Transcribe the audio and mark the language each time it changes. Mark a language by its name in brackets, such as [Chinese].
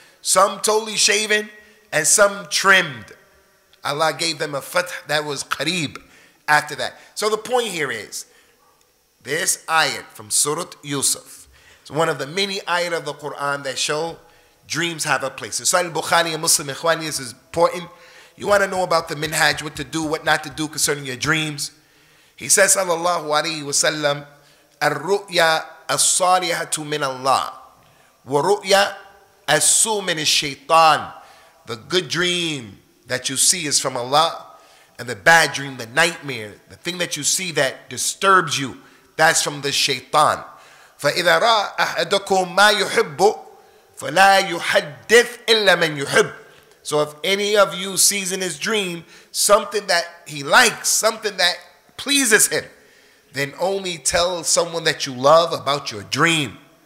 [English] Some totally shaven, and some trimmed. Allah gave them a fath that was qareeb after that. So the point here is, this ayat from Surah Yusuf, it's one of the many ayat of the Quran that show dreams have a place. So Sahih Bukhari and Muslim, ikhwani, this is important. You want to know about the minhaj, what to do, what not to do concerning your dreams. He says, [Arabic] sallallahu alayhi wa sallam, الرؤيا الصالحة من الله ورؤيا السوء من الشيطان. [English] The good dream that you see is from Allah, and the bad dream, the nightmare, the thing that you see that disturbs you, that's from the shaitan. [Arabic] فإذا رأى أحدكم ما يحب فلا يحدث إلا من يحب. [English] So if any of you sees in his dream something that he likes, something that pleases him, then only tell someone that you love about your dream.